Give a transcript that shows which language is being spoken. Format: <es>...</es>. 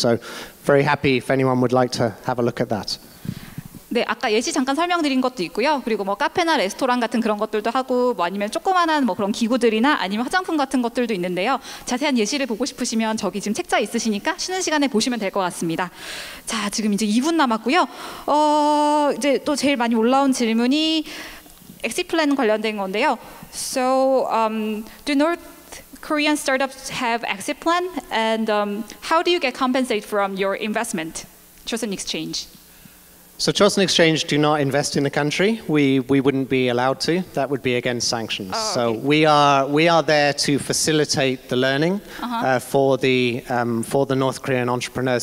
<en>So very happy if anyone would like to have a look at that.</en> <ko>네, 아까 예시 잠깐 설명드린 것도 있고요. 그리고 뭐 카페나 레스토랑 같은 그런 것들도 하고, 뭐 아니면 조그만한 뭐 그런 기구들이나 아니면 화장품 같은 것들도 있는데요. 자세한 예시를 보고 싶으시면 저기 지금 책자 있으시니까 쉬는 시간에 보시면 될 것 같습니다. 자, 지금 이제 2분 남았고요. 이제 또 제일 많이 올라온 질문이 엑시플랜 관련된 건데요.</ko> <en>So, do North Korean startups have exit plan? And how do you get compensated from your investment, Choson Exchange? So Choson Exchange do not invest in the country. We wouldn't be allowed to. That would be against sanctions. Oh, so we are there to facilitate the learning for the North Korean entrepreneurs.</en>